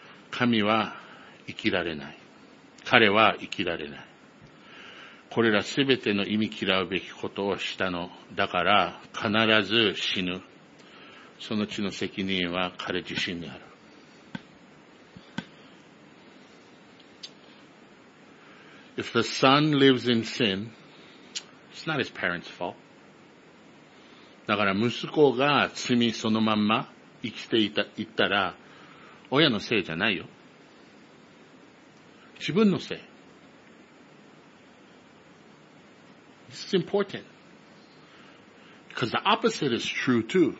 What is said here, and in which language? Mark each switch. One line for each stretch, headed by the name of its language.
Japanese: 神は生きられない。彼は生きられない。これらすべての忌み嫌うべきことをしたのだから必ず死ぬ。その血の責任は彼自身にある。
English: If the son lives in sin, it's not his parents' fault.
Japanese: だから息子が罪そのまま生きていた、言ったら親のせいじゃないよ。自分のせい。
English: This is important. Because the opposite is true too.